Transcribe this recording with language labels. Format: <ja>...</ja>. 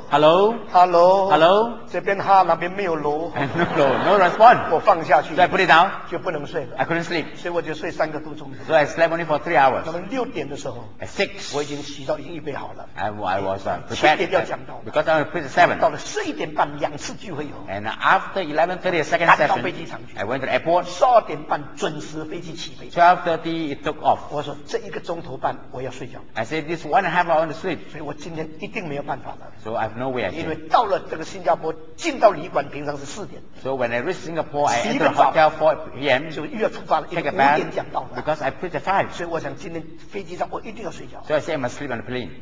<en>Hello. Hello. Hello.</en> <zh>这边哈，那边没有楼。</zh> <en>No low, no response.</en> <zh>我放下去。</zh> <en>So I put it down.</en> <zh>就不能睡了。</zh> <en>I couldn't sleep.</en> <zh>所以我就睡3个多钟。</zh> <en>So I slept only for 3 hours.</en> <zh>那么6点的时候。</zh> <en>At 6.</en> <zh>我已经洗澡，已经预备好了。</zh> <en>I was prepared.</en> <zh>7点要讲到。</zh> <en>Because I want to preach at 7.</en> <zh>到了11:30两次聚会有。</zh> <en>And after 11:30 second session. I went to the airport.</en> <zh>12:30准时飞机起飞。</zh> <en>12:30 it took off.</en> <zh>我说这一个钟头半我要睡觉。</zh> <en>I said this 1.5 hours I want to sleep.</en> <zh>所以我今天一定没有办法了。</zh> <en>So I have no way.</en> <zh>因为到了这个新加坡，进到旅馆平常是4点。</zh> <en>So when I reach Singapore, I enter hotel 4 p.m.</en> <zh>就又要出发了，5点讲到了。</zh> <en>Because I preach at 5.</en> <zh>所以我想今天飞机上我一定要睡觉。</zh> <en>So I said I must sleep on the plane.</en>